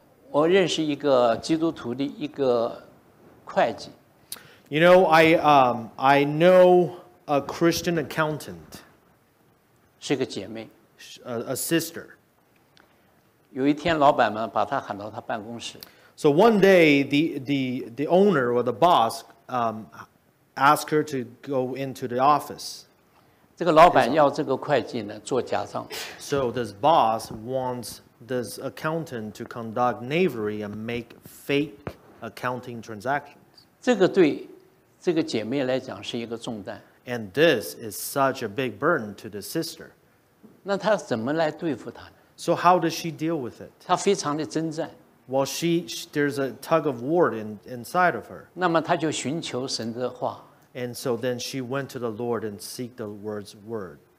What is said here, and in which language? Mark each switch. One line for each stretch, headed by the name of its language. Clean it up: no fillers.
Chinese: 我认识一个基督徒的一个会计。
English: You know, I know a Christian accountant.
Chinese: 是个姐妹。
English: A sister.
Chinese: 有一天老板们把她喊到她办公室。
English: So one day, the owner or the boss, asked her to go into the office.
Chinese: 这个老板要这个会计呢做假账。
English: So this boss wants this accountant to conduct knavery and make fake accounting transactions.
Chinese: 这个对这个姐妹来讲是一个重担。
English: And this is such a big burden to the sister.
Chinese: 那她怎么来对付她呢
English: ？So how does she deal with it?
Chinese: 她非常的征战。
English: Well, she there's a tug of war inside of her.
Chinese: 那么她就寻求神的话。
English: And so then she went to the Lord and seek the Lord's word.